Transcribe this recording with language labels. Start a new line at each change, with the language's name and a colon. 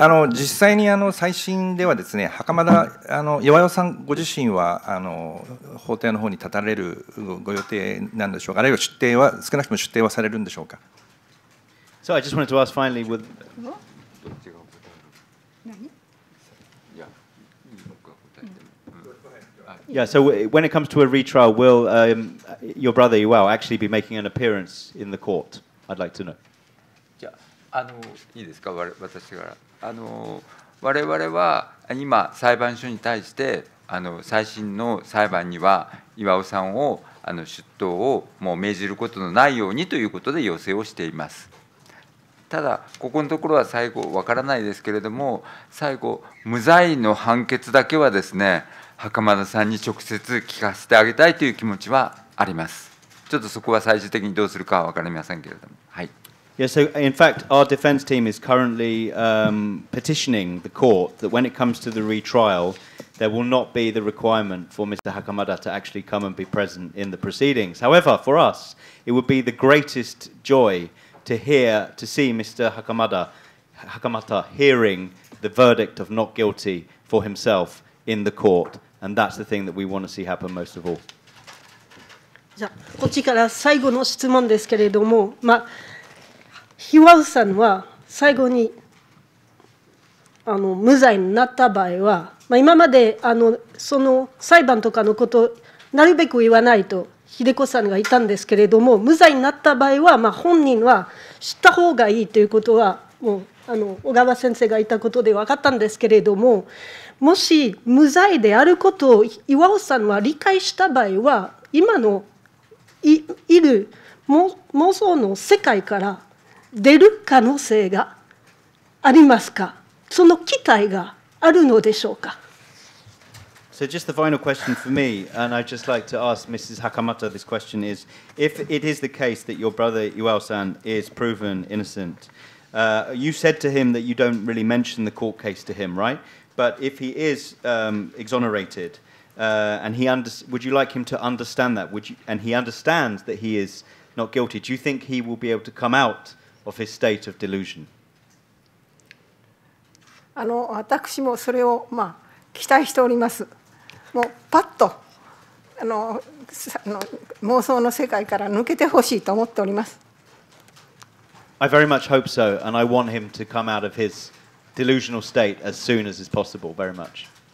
Japanese: 実際に再審ではですね、袴田巌さんご自身は法廷の方に立たれるご予定なんでしょうか。あるいは出廷は少なくとも出廷はされるんでしょうか。
English: So I just wanted to ask finally with. Yeah, so when it comes to a retrial, will your brother Iwao actually be making an appearance in the court? I'd like to know.
Japanese: Yeah, いいですか、私から。我々は今裁判所に対して再審の裁判には Iwao さんを出頭をもう命じることのないようにということで要請をしています。ただここのところは最後わからないですけれども、最後無罪の判決だけはですね。袴田さんに直接聞かせてあげたいという気持ちはあります。ちょっとそこは最終的にどうするかは分かりませんけれども。はい。
English: Yes, so in fact, our defense team is currently petitioning the court that when it comes to the retrial, there will not be the requirement for Mr. Hakamada to actually come and be present in the proceedings. However, for us, it would be the greatest joy to hear, to see Mr. Hakamata hearing the verdict of not guilty for himself. In the court, and that's the thing that we want to see happen most of all.
Japanese: じゃあこっちから最後の質問ですけれども、ヒワウさんは最後に無罪になった場合は、今までその裁判とかのことなるべく言わないと秀子さんが言ったんですけれども、無罪になった場合は本人は知った方がいいということはもう小川先生が言ったことで分かったんですけれども。もし無罪であることを岩尾さんは理解した場合は、今の いる妄想の世界から出る可能性がありますか、その期待があるのでしょうか。
English: So just the final question for me, and I'd just like to ask Mrs. Hakamata this question is, if it is the case that your brother Iwao-san is proven innocent, you said to him that you don't really mention the court case to him, right? But if he is exonerated, and he would you like him to understand that? And he understands that he is not guilty. Do you think he will be able to come out of his state of delusion?
Japanese: 私もそれを期待しております。もうパッと妄想の世界から抜けてほしいと思っております。
English: I very much hope so, and I want him to come out of his.Delusional state as soon as is possible, very much.